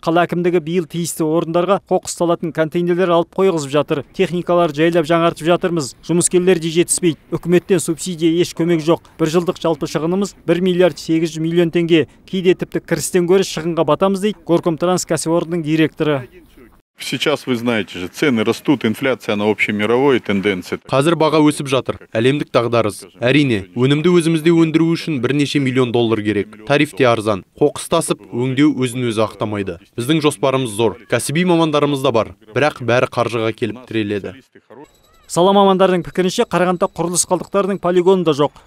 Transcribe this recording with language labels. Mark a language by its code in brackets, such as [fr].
[kk] Қала әкімдігі биыл тиісті орындарға қоқыс салатын контейнерлер алып қойғызып жатыр. Техникалар жайлап жаңартып жатырмыз. Жұмыскерлер де жетіспейді. Үкіметтен субсидия еш көмек жоқ. Бір жылдық жалпы шығынымыз 1 миллиард 800 миллион теңге. Кейде тіпті кірістен гөрі шығынға батамыз, дейді Горкомтранс кәсіпорнының директоры. [ru] Сейчас вы знаете же, цены растут, инфляция на общемировой тенденции. [kk] Қазір баға өсіп жатыр. Әлемдік дағдарыс. Әрине, өнімді өзімізде өндіру үшін бірнеше миллион доллар керек. Тариф те арзан. Қоқыс тасып, өңдеу өзін өзі ақтамайды. Біздің жоспарымыз зор. Кәсіби мамандарымыз да бар. Бірақ бәрі қаржыға келіп тіреледі. Сала мамандардың пікірінше, Қарағандыда құрылыс қалдықтарының полигоны да жоқ.